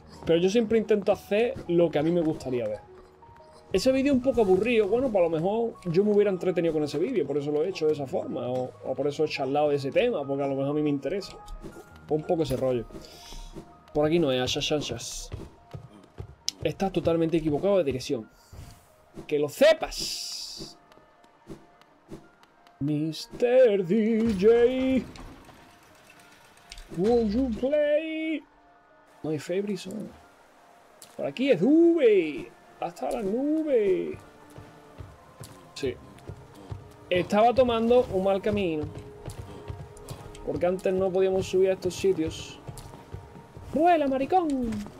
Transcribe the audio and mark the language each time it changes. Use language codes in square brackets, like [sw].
[es] Pero yo siempre intento hacer lo que a mí me gustaría ver. Ese vídeo un poco aburrido, bueno, pues a lo mejor yo me hubiera entretenido con ese vídeo, por eso lo he hecho de esa forma, o por eso he charlado de ese tema, porque a lo mejor a mí me interesa. Un poco ese rollo. Por aquí no es, Ashashanshas. Estás totalmente equivocado de dirección. ¡Que lo sepas! [en] Mister DJ, would you play my favorite song? [es] Por aquí es V, hasta la nube. Sí, estaba tomando un mal camino porque antes no podíamos subir a estos sitios. ¡Vuela, maricón!